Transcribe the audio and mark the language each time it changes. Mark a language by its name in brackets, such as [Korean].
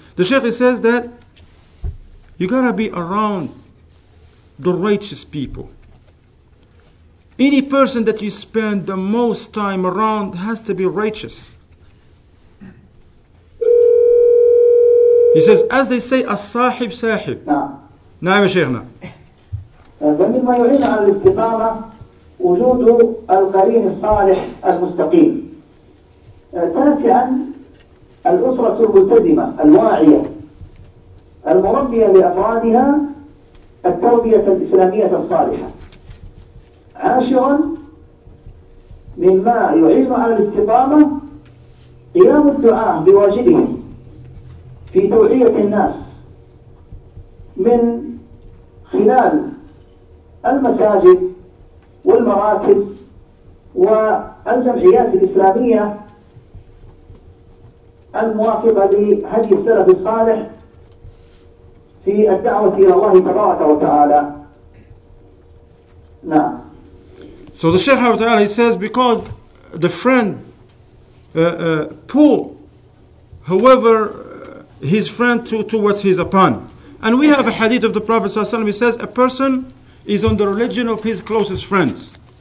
[English] The Shaykh, he says that you gotta be around the righteous people. Any person that you spend the most time around has to be righteous. He says, as they say, as-sahib sahib. [Arabic] Naam. Naam, Shaykhna. ومما يعين على الاستقامة وجود القرين الصالح المستقيم. تاسعا, الأسرة الملتزمة الواعية المربية لأفرادها التربية الإسلامية الصالحة. عاشرا, مما يعين على الاستقامة قيام الدعاء بواجبهم في توعية الناس من خلال المساجد والمراكز والجمعيات الإسلامية الموافقة لهدي السلف الصالح في الدعوة إلى الله تبارك وتعالى. نعم. [English] So the Sheikh of Ta'ala, he says, because the friend pull whoever his friend to what he's upon. And we have a hadith of the Prophet ﷺ, he says, a person is on the religion of his closest friends.